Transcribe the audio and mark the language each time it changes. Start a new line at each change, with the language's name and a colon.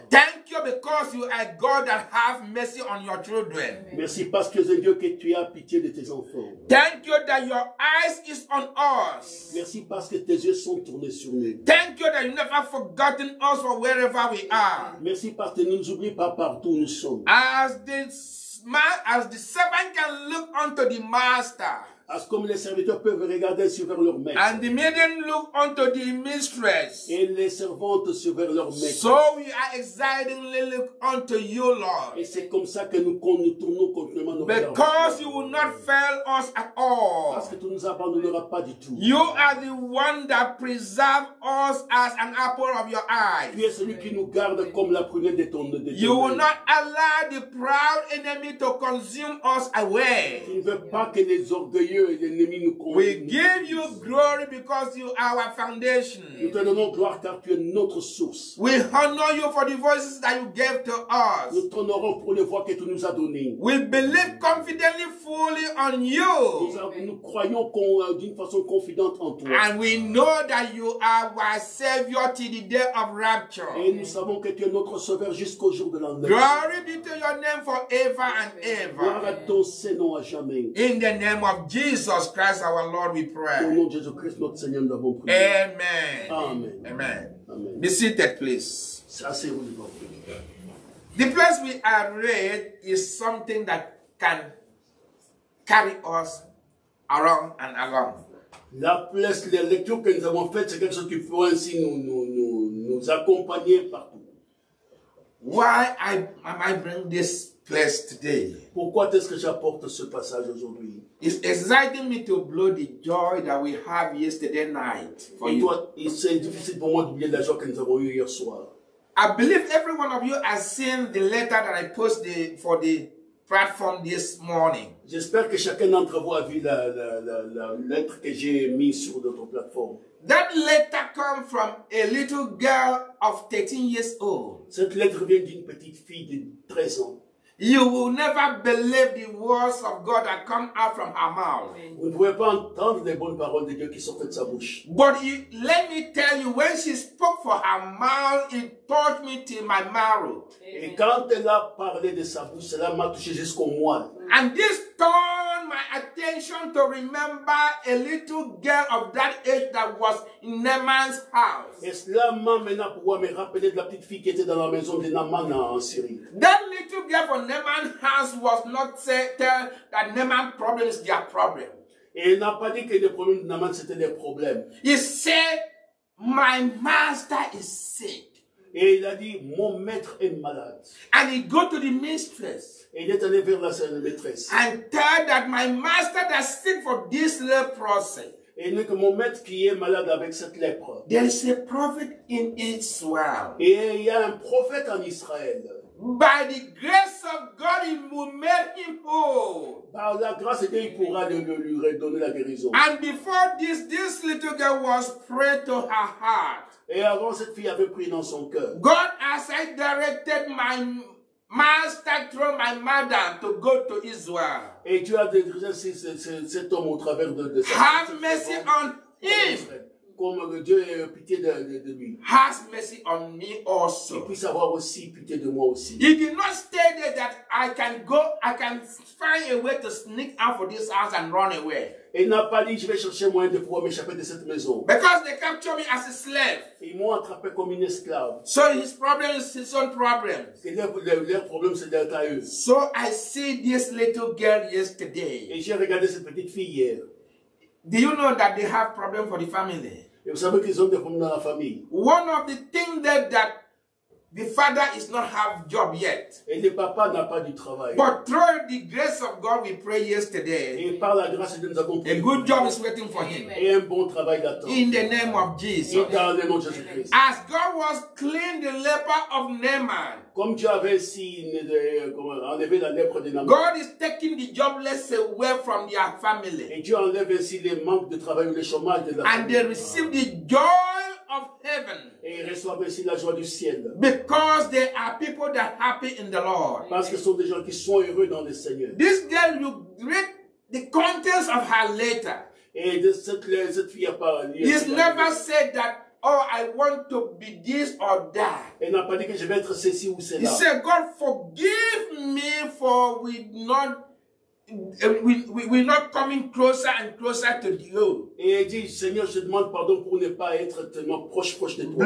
English: Thank you because you are God that have mercy on your children.
French: Merci parce que Dieu que tu as pitié de tes enfants.
English: Thank you that your eyes is on us.
French: Merci parce que tes yeux sont tournés sur nous.
English: Thank you that you never forgotten us from wherever we are.
French: Merci parce que nous n'oublions pas partout où nous sommes.
English: As the servant can look unto the master.
French: As comme les serviteurs peuvent regarder sur vers leur maître.
English: And the maiden look unto the mistress.
French: Et les servantes sur vers leur maître.
English: So we are excitedly look unto you, Lord.
French: Et c'est comme ça que nous tournons continuellement nos regards.
English: Because you will not fail us at all.
French: Parce que tu ne nous abandonneras pas du tout.
English: You are the one that preserves us as an apple of your eye.
French: Tu es celui qui nous garde comme la prunelle de ton œil.
English: You will not allow the proud enemy to consume us away.
French: Tu ne veux pas que les orgueilleux.
English: We give you glory because you are our foundation.
French: Nous te donnons gloire car tu es notre source.
English: We honor you for the voices that you gave to us.
French: Nous t'honorons pour les voix que tu nous as données.
English: We believe confidently, fully on you.
French: Nous croyons d'une façon confidente en toi.
English: And we know that you are our Savior till the day of rapture.
French: Et nous savons que tu es notre Sauveur jusqu'au jour de l'enlèvement.
English: Glory be to your name forever and ever.
French: Gloire à ton Seigneur à jamais.
English: In the name of Jesus Christ, our Lord, we pray.
French: Au nom de Jésus Christ, notre Seigneur, nous avons prié.
English: Amen.
French: Amen.
English: Amen.
French: Amen.
English: Be seated, please.
French: Ça, c'est où, bon.
English: The place we are read is something that can carry us around and along.
French: La place, la lecture que nous avons faite, c'est quelque chose qui peut ainsi nous accompagner partout.
English: Why I bring this place today?
French: Pourquoi est-ce que j'apporte ce passage aujourd'hui?
English: It's exciting me to blow the joy that we have yesterday night for you.
French: C'est difficile pour moi d'oublier la joie que nous avons eue hier soir.
English: I believe every one of you has seen the letter that I posted for the platform this morning.
French: J'espère que chacun d'entre vous a vu la lettre que j'ai mise sur notre plateforme.
English: That letter comes from a little girl of 13 years old.
French: Cette lettre vient d'une petite fille de 13 ans.
English: You will never believe the words of God that come out from her mouth.
French: Vous ne pouvez pas entendre les bonnes paroles de Dieu qui sortent de sa bouche.
English: But let me tell you, when she spoke for her mouth, it touched me till my marrow.
French: Et quand elle a parlé de sa bouche, cela m'a touché jusqu'au moelle.
English: And this turned my attention to remember a little girl of that age that was in Naaman's house.
French: Et cela m'a amené à pouvoir me rappeler de la petite fille qui était dans la maison de Naaman en Syrie.
English: That little girl from Naaman's house was not tell that Naaman's problem is their problem.
French: Et elle n'a pas dit que les problèmes de Naaman c'était des problèmes.
English: He said, "My master is sick."
French: Et il a dit, mon maître est malade.
English: And he go to the mistress.
French: Et il est allé vers la sœur de maîtresse.
English: And tell that my master that's sick for this leprosy.
French: Et que mon maître qui est malade avec cette lèpre.
English: There is a prophet in Israel.
French: Et il y a un prophète en Israël.
English: By the grace of God, he will make him whole.
French: Par la grâce de Dieu, il pourra lui redonner la guérison.
English: And before this little girl was prayed to her heart.
French: Et avant, cette fille avait prié dans son cœur.
English: God has directed my master through my mother to go to Israel.
French: Et Dieu a dirigé cet homme au travers de sa.
English: Have mercy on him.
French: Comme Dieu ait pitié de lui.
English: Have mercy on me also.
French: Il puisse avoir aussi pitié de moi aussi.
English: He did not stay there that I can find a way to sneak out of this house and run away.
French: Il n'a pas dit je vais chercher moyen de pouvoir m'échapper de cette maison.
English: Because they captured me as a slave.
French: Ils m'ont attrapé comme une esclave.
English: So his problem is his own problem.
French: Leur problème c'est d'être à eux.
English: So I see this little girl yesterday.
French: Et j'ai regardé cette petite fille hier.
English: Do you know that they have problem for the family?
French: Et vous savez qu'ils ont des problèmes dans la famille.
English: One of the things that the father is not have job yet.
French: Et le papa n'a pas du travail.
English: But through the grace of God, we pray yesterday.
French: Et par la grâce de Dieu, nous avons prié.
English: A good job is waiting for him.
French: Et un bon travail l'attend.
English: In the name of Jesus.
French: Et dans le nom de Jésus Christ.
English: As God was cleaned the leper of Naaman.
French: Comme Dieu avait si enlevé la lèpre de Naaman.
English: God is taking the jobless away from their family.
French: Et Dieu enlève ainsi le manque de travail ou le chômage de la
English: famille. And they receive the joy of heaven.
French: Et ils reçoivent aussi la joie du ciel.
English: Because there are people that are happy in the Lord.
French: Parce que ce sont des gens qui sont heureux dans le Seigneur.
English: This girl, you read the contents of her letter.
French: Et cette fille a parlé.
English: He's never said that. Oh, I want to be this or that.
French: Et n'a pas dit que je vais être ceci ou cela.
English: He said, God, forgive me for we're not coming closer and closer to you.
French: Et il dit, Seigneur, je demande pardon pour ne pas être tellement proche de toi.